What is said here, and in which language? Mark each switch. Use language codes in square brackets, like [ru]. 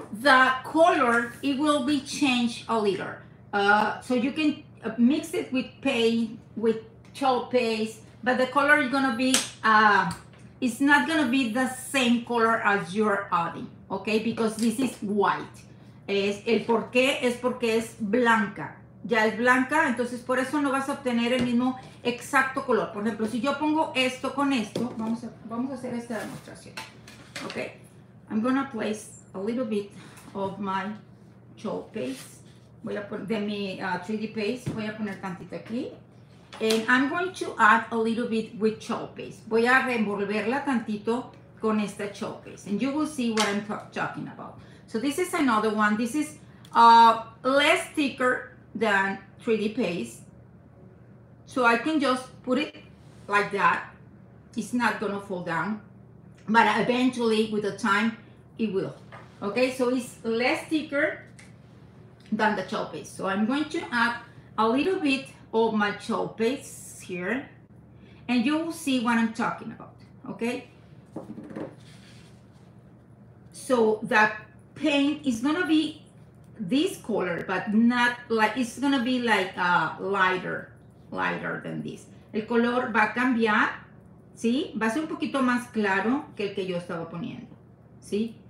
[en] the color, it will be changed a little. So you can mix it with paint, with chalk paste, but the color is gonna be, it's not gonna be the same color as you're adding, okay? Because this is white. [es] Es el porqué es porque es blanca. Ya es blanca, entonces por eso no vas a obtener el mismo exacto color. Por ejemplo, si yo pongo esto con esto, vamos a hacer esta demostración. [en] Okay, I'm gonna place a little bit of my chalk paste. [es] Voy a poner de mi 3D paste, voy a poner tantito aquí. [en] And I'm going to add a little bit with chalk paste. [es] Voy a reenvolverla tantito con esta chalk paste. [en] And you will see what I'm talking about. So this is another one. This is less thicker than 3D paste. So I can just put it like that. It's not gonna fall down. But eventually, with the time, it will. Okay, so it's less thicker than the chalk paste. So I'm going to add a little bit of my chalk paste here. And you will see what I'm talking about, okay? So that paint is gonna be this color, but not like, it's gonna be like lighter than this. [es] El color va a cambiar, ¿sí? Va a ser un poquito más claro que el que yo estaba poniendo, ¿sí?